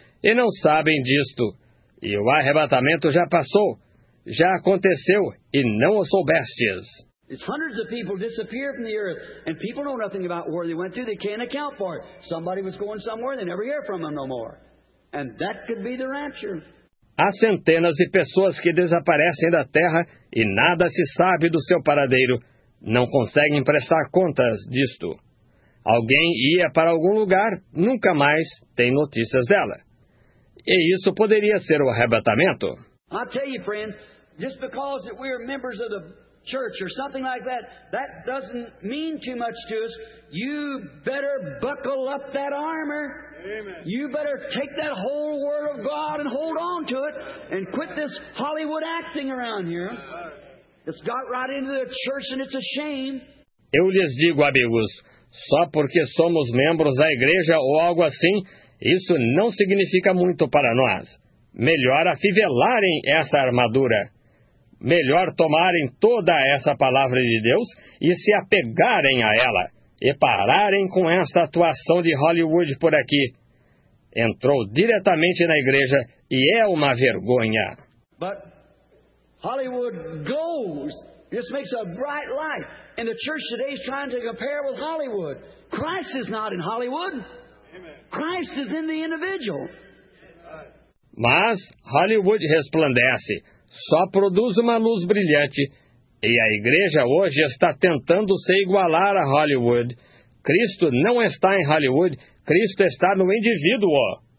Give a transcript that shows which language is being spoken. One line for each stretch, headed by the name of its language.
Portuguese: E não sabem disto, e o arrebatamento já passou, já aconteceu, e não o soubestes.
English: It's hundreds of people disappear from the earth, and people know nothing about where they went to. They can't account for it. Somebody was going somewhere, they never hear from them no more. And that could be the rapture.
Portuguese: Há centenas de pessoas que desaparecem da terra e nada se sabe do seu paradeiro. Não conseguem prestar contas disto. Alguém ia para algum lugar, nunca mais tem notícias dela. E isso poderia ser o arrebatamento.
English: I tell you, friends, just because we are members of the church or something like that, that doesn't mean too much to us. You better buckle up that armor. Amen. You better take that whole word of God and hold on to it and quit this Hollywood acting around here. It's got right into the church and it's a shame.
Portuguese: Eu lhes digo, amigos, só porque somos membros da igreja ou algo assim, isso não significa muito para nós. Melhor afivelarem essa armadura. Melhor tomarem toda essa palavra de Deus e se apegarem a ela e pararem com essa atuação de Hollywood por aqui. Entrou diretamente na igreja e é uma vergonha.
English: But Hollywood goes It just makes a bright light. And the church today is trying to compare with Hollywood. Christ is not in Hollywood. Amen. Christ is in the individual.
Portuguese: Mas Hollywood resplandece, só produz uma luz brilhante. E a igreja hoje está tentando se igualar a Hollywood. Cristo não está em Hollywood, Cristo está no indivíduo.